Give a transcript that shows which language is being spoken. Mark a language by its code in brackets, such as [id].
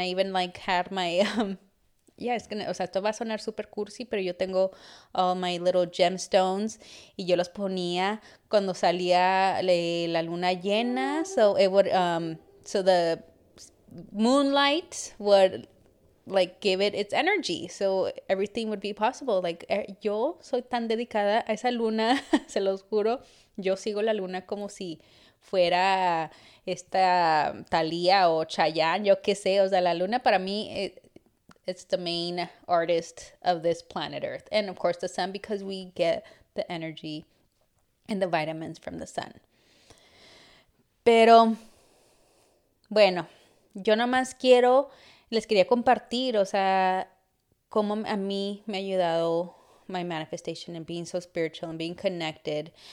[en] I even like had my yeah, it's gonna, [es] o sea, esto va a sonar super cursi, pero yo tengo [en] all my little gemstones [es] y yo los ponía cuando salía la luna llena. [en] So it would, so the moonlight would like give it its energy. So everything would be possible. [es] Like, yo soy tan dedicada a esa luna, se los juro. Yo sigo la luna como si fuera esta Thalía o Chayanne, yo qué sé. O sea, la luna para mí. [en] It's the main artist of this planet Earth. And of course, the sun, because we get the energy and the vitamins from the sun. [es] Pero, bueno, yo nomás quiero, les quería compartir, o sea, cómo a mí me ha ayudado [en] my manifestation and being so spiritual and being connected.